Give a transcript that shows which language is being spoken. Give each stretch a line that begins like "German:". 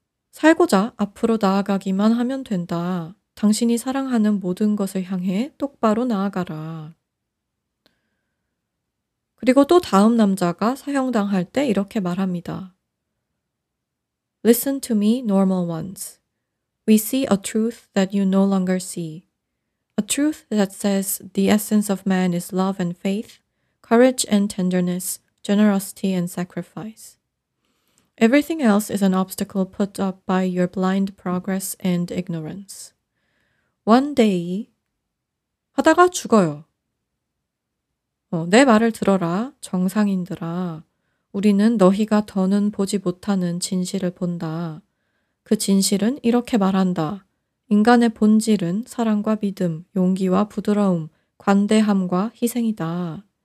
Korean: 살고자 앞으로 나아가기만 하면 된다. 당신이 사랑하는 모든 것을 향해 똑바로 나아가라. 그리고 또 다음 남자가 사형당할 때 이렇게 말합니다.
English: Listen to me, normal ones. We see a truth that you no longer see. A truth that says the essence of man is love and faith. Courage and tenderness, generosity and sacrifice. Everything else is an obstacle put up by your blind progress and ignorance. One day,
Korean: 하다가 죽어요. 내 말을 들어라, 정상인들아. 우리는 너희가 더는 보지 못하는 진실을 본다. 그 진실은 이렇게 말한다. 인간의 본질은 사랑과 믿음, 용기와 부드러움, 관대함과 희생이다.